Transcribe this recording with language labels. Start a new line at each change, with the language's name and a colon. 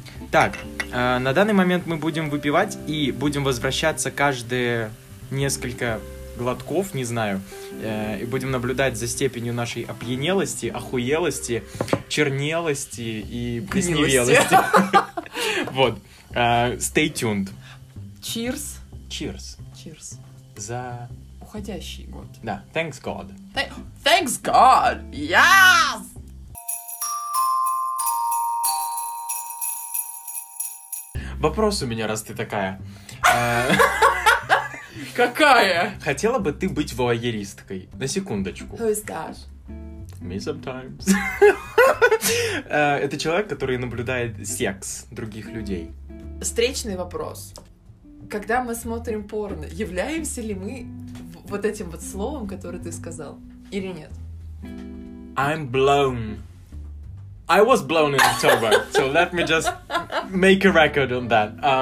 Russian: Так, на данный момент мы будем выпивать и будем возвращаться каждые несколько глотков, не знаю, и будем наблюдать за степенью нашей опьянелости, охуелости, чернелости и плесневелости.
English: Вот, stay tuned. Cheers. Cheers. Cheers.
Russian: За уходящий год.
English: Да, thanks God. Thanks God, yes!
Russian: Вопрос у меня, раз ты такая. Какая? Хотела бы ты быть вуайеристкой? На секундочку.
English: Who is that? Me sometimes.
Russian: Это человек, который наблюдает секс других людей. Встречный вопрос. Когда мы смотрим порно, являемся ли мы вот этим вот словом, которое ты сказал, или нет?
English: I'm blown. I was blown in October, so let me just make a record on that.